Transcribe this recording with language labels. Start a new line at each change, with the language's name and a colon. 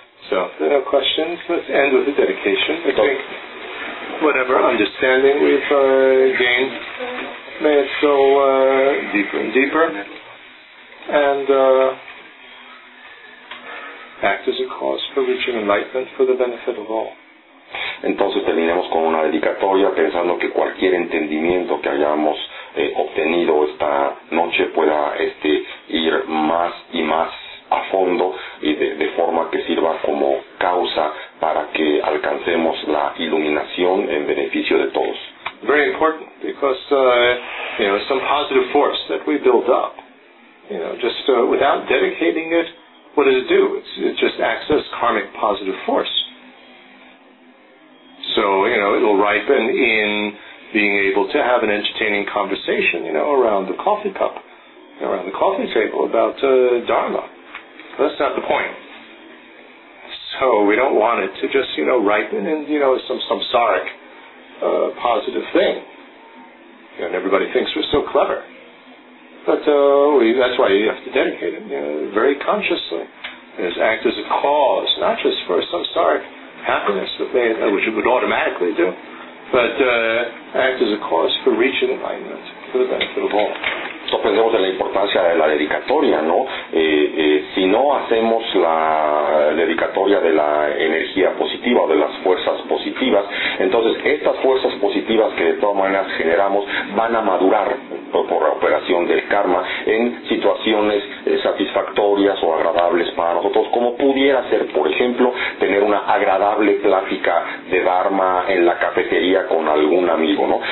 English: So, if there are no questions, let's end with a dedication. I think whatever understanding we've gained, may it go deeper and deeper, and act as a cause for reaching enlightenment for the benefit of all.
Spanish: Entonces terminemos con una dedicatoria pensando que cualquier entendimiento que hayamos obtenido esta noche pueda ir más y más a fondo y de forma que sirva como causa para que alcancemos la iluminación en beneficio de todos.
English: Very important, because you know, some positive force that we build up, you know, just without dedicating it, what does it do? It just acts as karmic positive force. So, you know, it will ripen in being able to have an entertaining conversation, you know, around the coffee cup, around the coffee table about Dharma. That's not the point. So we don't want it to just, you know, ripen in, you know, some samsaric positive thing. You know, and everybody thinks we're so clever. But that's why you have to dedicate it, you know, very consciously. Is act as a cause, not just for samsaric happiness, which it would automatically do, but act as a cause for reaching enlightenment for the benefit of all.
Spanish: Esto aprendemos de la importancia de la dedicatoria, ¿no? Si no hacemos la dedicatoria de la energía positiva o de las fuerzas positivas, entonces estas fuerzas positivas que de todas maneras generamos van a madurar por la operación del karma en situaciones satisfactorias o agradables para nosotros, como pudiera ser, por ejemplo, tener una agradable plática de Dharma en la cafetería con algún amigo, ¿no?